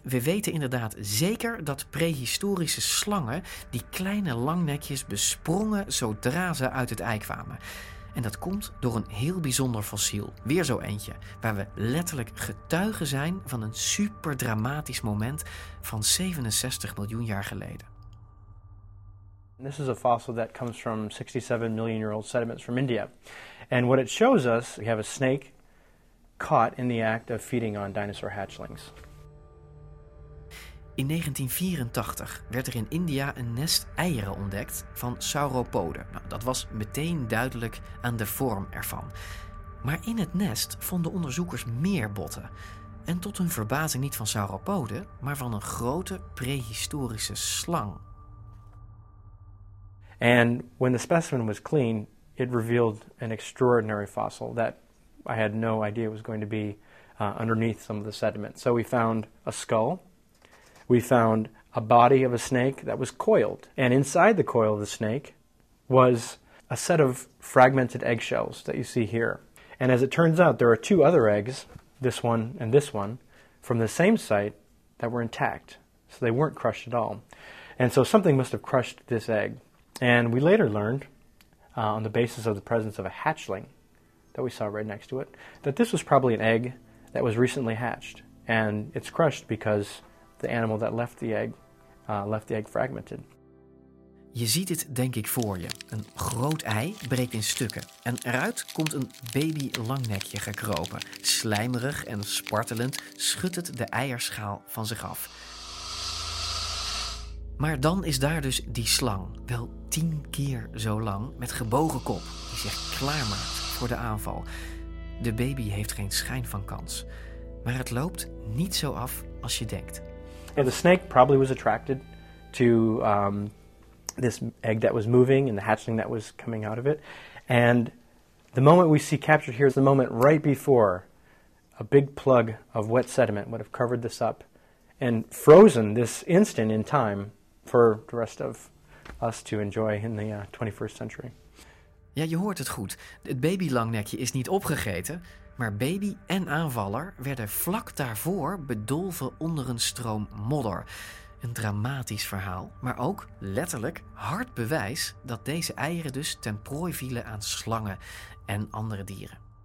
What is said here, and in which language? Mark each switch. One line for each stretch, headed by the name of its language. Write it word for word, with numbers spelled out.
Dutch: We weten inderdaad zeker dat prehistorische slangen die kleine langnekjes besprongen zodra ze uit het ei kwamen. En dat komt door een heel bijzonder fossiel. Weer zo eentje, waar we letterlijk getuigen zijn van een superdramatisch moment van zevenenzestig miljoen jaar geleden.
English: This is a fossil that comes from sixty-seven million year old sediments from India. And what it shows us, we have a snake caught in the act of feeding on dinosaur hatchlings.
Dutch: In negentien vierentachtig werd er in India een nest eieren ontdekt van sauropoden. Nou, dat was meteen duidelijk aan de vorm ervan. Maar in het nest vonden onderzoekers meer botten. En tot hun verbazing niet van sauropoden, maar van een grote prehistorische slang.
English: And when the specimen was clean, it revealed an extraordinary fossil that I had no idea it was going to be uh, underneath some of the sediment. So we found a skull. We found a body of a snake that was coiled. And inside the coil of the snake was a set of fragmented eggshells that you see here. And as it turns out, there are two other eggs, this one and this one, from the same site that were intact. So they weren't crushed at all. And so something must have crushed this egg. And we later learned, uh, on the basis of the presence of a hatchling that we saw right next to it, that this was probably an egg that was recently hatched. And it's crushed because the animal that left the egg uh, left the egg fragmented.
Dutch: Je ziet dit denk ik voor je. Een groot ei breekt in stukken en eruit komt een baby langnekje gekropen. Slijmerig en spartelend schudt het de eierschaal van zich af. Maar dan is daar dus die slang, wel tien keer zo lang, met gebogen kop, die zich klaarmaakt voor de aanval. De baby heeft geen schijn van kans, maar het loopt niet zo af als je denkt.
English: Yeah, the snake probably was attracted to um, this egg that was moving and the hatchling that was coming out of it. And the moment we see captured here is the moment right before a big plug of wet sediment would have covered this up and frozen this instant in time for the rest of us to enjoy in the uh, twenty-first century.
Dutch: Ja, je hoort het goed. Het babylangnekje is niet opgegeten, maar baby en aanvaller werden vlak daarvoor bedolven onder een stroom modder. Een dramatisch verhaal, maar ook letterlijk hard bewijs dat deze eieren dus ten prooi vielen aan slangen en andere dieren.